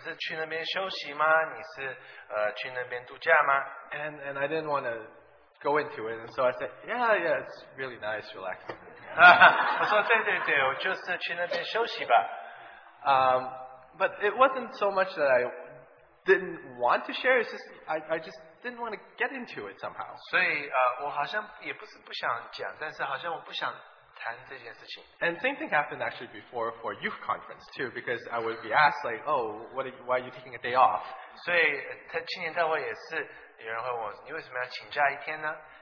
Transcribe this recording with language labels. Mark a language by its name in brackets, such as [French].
[Chinese] 所以你只是去那边休息吗？你是 去那边度假吗？ [English] And I didn't want to go into it, and so I said, yeah, it's really nice, relaxing. [Chinese] 我说对对对，我就是去那边休息吧。 [English] But it wasn't so much that I didn't want to share. It's just I just didn't want to get into it somehow. [Chinese] 所以 我好像也不是不想讲，但是好像我不想。 [English] And same thing happened actually before for youth conference too, because I would be asked like, oh, why are you taking a day off? [Chinese] 所以青年大会也是有人会问我，你为什么要请假一天呢？